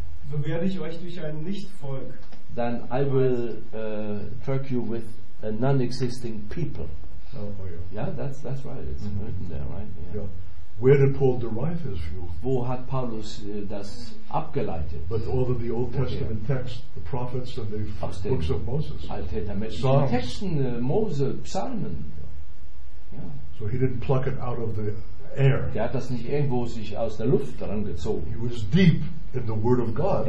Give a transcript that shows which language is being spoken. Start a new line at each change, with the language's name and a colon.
German: so werde ich euch durch ein Nicht-Volk,
English: then I will perk you with a non-existing people. Oh, yeah. Yeah, that's right. It's mm-hmm. written there, right? Yeah. Yeah. Where did Paul derive his view?
German: Wo hat Paulus das abgeleitet?
English: But all of the Old Testament okay. texts, the prophets and the
German: aus
English: books of Moses.
German: Alte Testament Texten, Mose, Psalmen. Ja.
English: So he didn't pluck it out of the air.
German: Der hat das nicht irgendwo sich aus der Luft dran gezogen.
English: He was deep in the Word of God.